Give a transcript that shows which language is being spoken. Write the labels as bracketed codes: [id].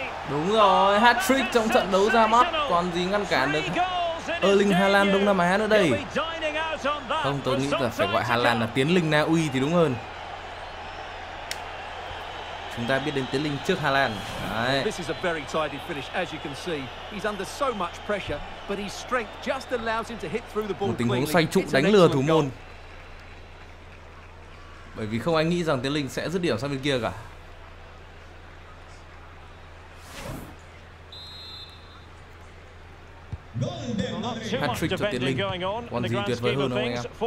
[vi] Đúng rồi, hat-trick trong trận đấu ra mắt. Còn gì ngăn cản được Erling Haaland Đông Nam Á nữa đây. Không, tôi nghĩ là phải gọi Haaland là Tiến Linh Na Uy thì đúng hơn. Chúng ta biết đến Tiến Linh trước Haaland. Đấy. [en] This is a very tidy finish, as you can see. He's under so much pressure, but his strength just allows him to hit through the ball. [vi] Một tình huống xoay trụ đánh lừa thủ môn. Bởi vì không ai nghĩ rằng Tiến Linh sẽ dứt điểm sang bên kia cả. Hat-trick cho Tiến Linh. Còn gì tuyệt vời hơn không anh em?